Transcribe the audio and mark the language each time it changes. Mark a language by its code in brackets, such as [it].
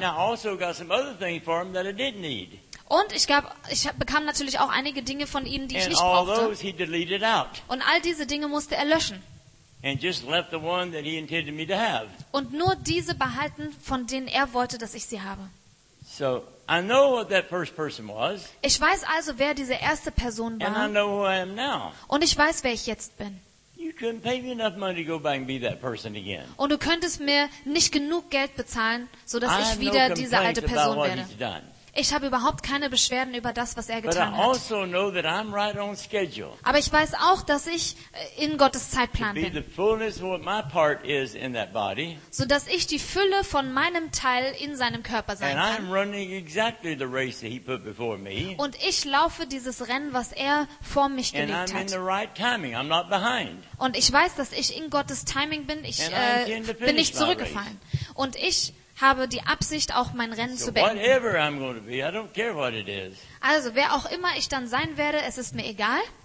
[en] Now also got some other things for him that I didn't need. [de] Und ich bekam natürlich auch einige Dinge von ihnen, die ich nicht brauchte. Und all diese Dinge musste er löschen. Und nur diese behalten, von denen er wollte, dass ich sie habe. [en] So, I know what that first person was, [de] ich weiß also, wer diese erste Person war. [en] And I know who I am now. [de] Und ich weiß, wer ich jetzt bin. Und du könntest mir nicht genug Geld bezahlen, sodass ich wieder diese alte Person werde. Ich habe überhaupt keine Beschwerden über das, was er getan hat. [en] Right, [de] aber ich weiß auch, dass ich in Gottes Zeitplan bin, sodass ich die Fülle von meinem Teil in seinem Körper sein [en] and [de] kann. [en] Exactly the race that he put before me. [de] Und ich laufe dieses Rennen, was er vor mich [en] and [de] gelegt [en] I'm [de] hat. [en] In the right timing. I'm not behind. [de] Und ich weiß, dass ich in Gottes Timing bin. Ich bin nicht zurückgefallen. Und ich habe die Absicht, auch mein Rennen so zu beenden. [en] Be, I don't care what it is. [de] Also, wer auch immer ich dann sein werde, es ist mir egal.